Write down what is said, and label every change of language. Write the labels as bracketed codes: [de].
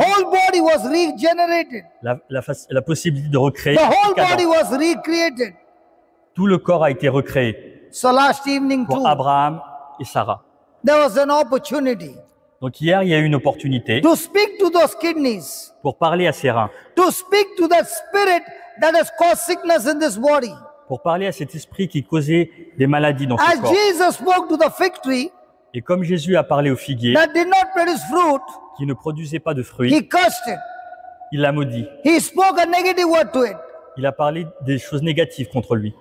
[en] Whole body was regenerated. [fr] La possibilité de recréer. [en] The whole body was recreated. [fr] Tout le corps a été recréé. [en] So last evening [fr] pour [en] too. [fr] Abraham et Sarah. [en] There was an opportunity. [fr] Donc hier, il y a eu une opportunité. [en] To speak to those kidneys. [fr] Pour parler à ses reins. [en] To speak to that spirit that has caused sickness in this body. [fr] Pour parler à cet esprit qui causait des maladies dans ce [en] As [fr] corps. [en] Jesus spoke to the fig tree, [fr] et comme Jésus a parlé au figuier [en] that did not produce fruit, [fr] qui ne produisait pas de fruits, [en] he cursed it. [fr] Il l'a maudit. [en] He spoke a negative word to it. [fr] Il a parlé des choses négatives contre lui.